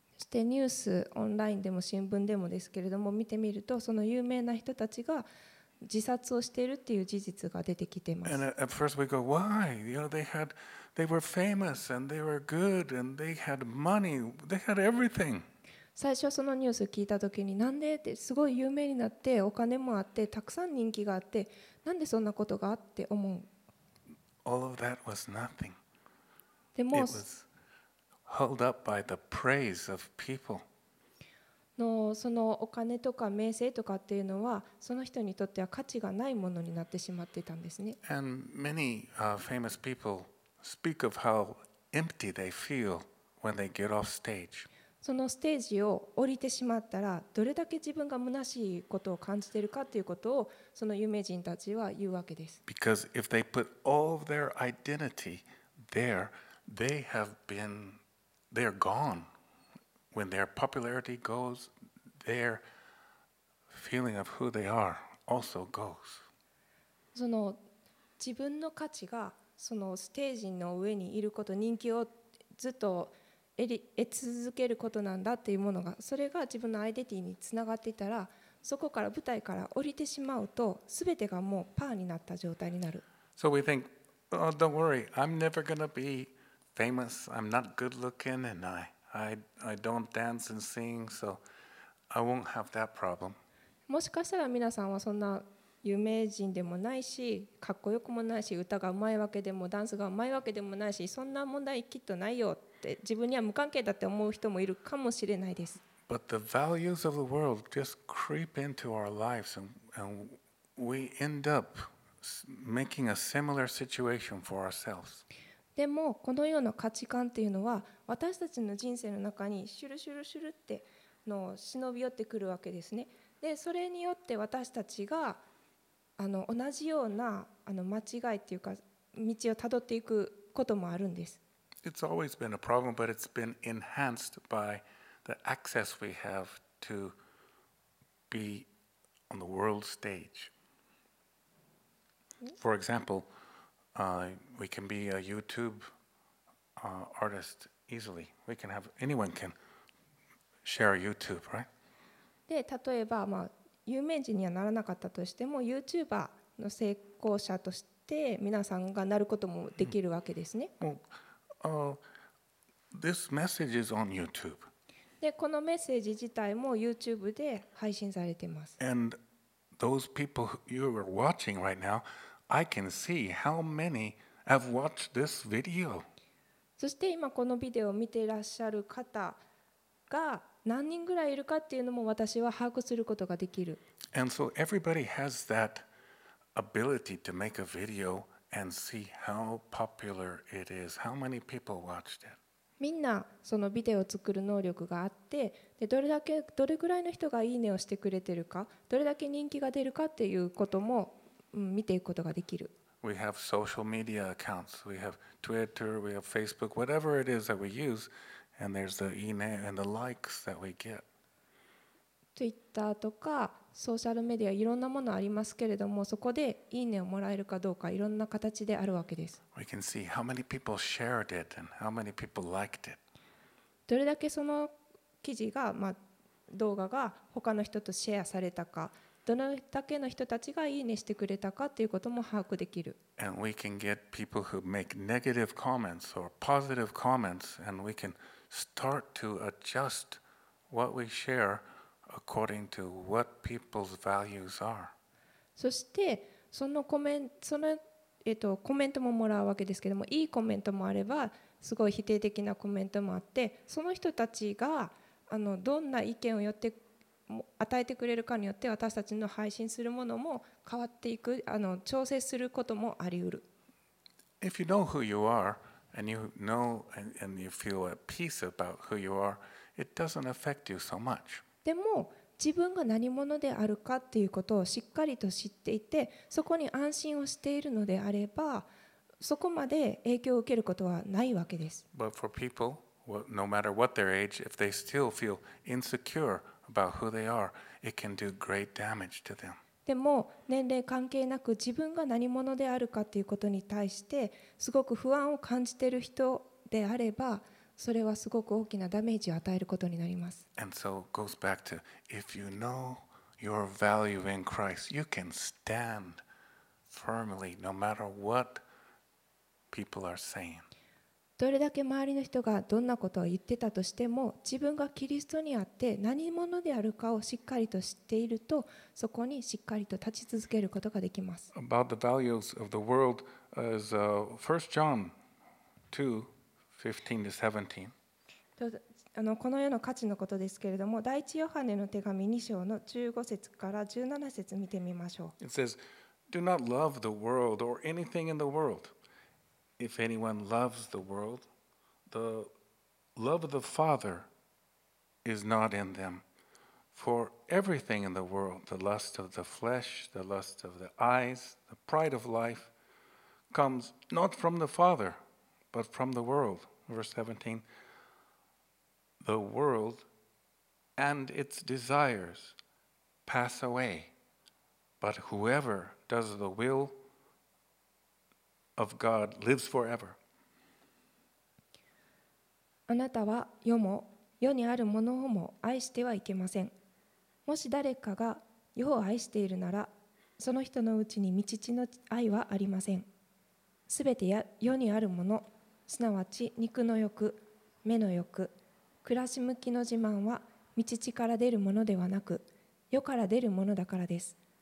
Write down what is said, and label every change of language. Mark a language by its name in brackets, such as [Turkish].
[Japanese] でニュースオンラインでも新聞でもですけれども見てみるとその有名な人たちが自殺をしているっていう事実が出てきてます。 [English] And at first we go, why? You know, they were famous and they were good and they had money. They had everything. [Japanese] 最初そのニュースを聞いたときに、なんでってすごい有名になってお金もあってたくさん人気があってなんでそんなことがあって思う。 [English] All of that was nothing. [Japanese] でも。 [English] Held up by the praise of people. [Japanese] のそのお金とか名声とかっていうのはその人にとっては価値がないものになってしまっていたんですね。 [English] And many famous people speak of how empty they feel when they get off stage. [Japanese] そのステージを降りてしまったらどれだけ自分が虚しいことを感じているかということをその有名人たちは言うわけです。 [English] Because if they put all of their identity there, they have beenThey are gone. When their popularity goes, their feeling of who they are also goes. [Japanese] その自分の価値がそのステージの上にいること、人気をずっと得続けることなんだっていうものが、それが自分のアイデンティティにつながっていたら、そこから舞台から降りてしまうと、すべてがもうパーになった状態になる。 [English] So we think, oh, don't worry, I'm never gonna be. Famous, I'm not good looking and I don't dance and sing, so I won't have that problem. [Japanese] もしかしたら皆さんはそんな有名人でもないし、かっこよくもないし、歌がうまいわけでもダンスがうまいわけでもないし、そんな問題きっとないよって自分には無関係だって思う人もいるかもしれないです。 [English] But the values of the world just creep into our lives and we end up making a similar situation for ourselves. [Japanese] でもこのような価値観というのは私たちの人生の中にシュルシュルシュルっての忍び寄ってくるわけですね。でそれによって私たちが同じような間違いというか道をたどっていくこともあるんです。 [English] It's always been a problem, but it's been enhanced by the access we have to be on the world stage. For example,we can be a YouTube artist easily. We can have anyone can share YouTube, right? [Japanese] で、例えば、まあ、有名人にはならなかったとしても、YouTuber の成功者として皆さんがなることもできるわけですね。 [English] Well, this message is on YouTube. [Japanese] で、このメッセージ自体も YouTube で配信されています。 [English] And those people you are watching right now. I can see how many have watched this video. [Japanese] そして今このビデオを見ていらっしゃる方が何人ぐらいいるかっていうのも私は把握することができる。 [English] And so everybody has that ability to make a video and see how popular it is, how many people watched it. [Japanese] みんなそのビデオを作る能力があって、でどれぐらいの人がいいねをしてくれてるか、どれだけ人気が出るかっていうことも。見ていくことができる。 [English] We have social media accounts. We have Twitter, we have Facebook, whatever it is that we use, and there's the email and the likes that we get. [Japanese] Twitter とかソーシャルメディアいろんなものありますけれども、そこでいいねをもらえるかどうかいろんな形であるわけです。 [English] We can see how many people shared it and how many people liked it. [Japanese] どれだけその記事が、まあ、動画が他の人とシェアされたか、どれだけの人たちがいいねしてくれたかということも把握できる。 [English] And we can get people who make negative comments or positive comments, and we can start to adjust what we share. According to what people's values are. [Japanese] そしてそのコメント、その、コメントももらうわけですけども、いいコメントもあればすごい否定的なコメントもあって、その人たちがどんな意見をよって与えてくれるかによって、私たちの配信するものも変わっていく、調整することもありうる。 [English] If you know who you are and you know and you feel at peace about who you are, it doesn't affect you so much. [Japanese] でも自分が何者であるかっていうことをしっかりと知っていて、そこに安心をしているのであれば、そこまで影響を受けることはないわけです。 [English] But for people, no matter what their age, if they still feel insecure about who they are, it can do great damage to them. [Japanese] でも年齢関係なく、自分が何者であるかっていうことに対してすごく不安を感じている人であれば、それはすごく大きなダメージを与えることになります。 [English] And so it goes back to, if you know your value in Christ, you can stand firmly no matter what people are saying. [Japanese] どれだけ周りの人がどんなことを言ってたとしても、自分がキリストにあって何者であるかをしっかりと知っていると、そこにしっかりと立ち続けることができます。 [English] About the values of the world is 1 John 2. 15 to 17. [Japanese] この世の価値のことですけれども、第一ヨハネの手紙2章の15節から17節見てみましょう。 [English] It says, "Do not love the world or anything in the world. If anyone loves the world, the love of the Father is not in them. For everything in the world, the lust of the flesh, the lust of the eyes, the pride of life, comes not from the Father, but from the world." Verse 17, the world and its desires pass away, but whoever does the will of God lives forever. [Japanese] あなたは世も世にあるものをも愛してはいけません。もし誰かが世を愛しているなら、その人のうちに御父の愛はありません。すべて世にあるもの、すなわち肉の欲、目の欲、暮らし向きの自慢は御父から出るものではなく、世から出るものだからです。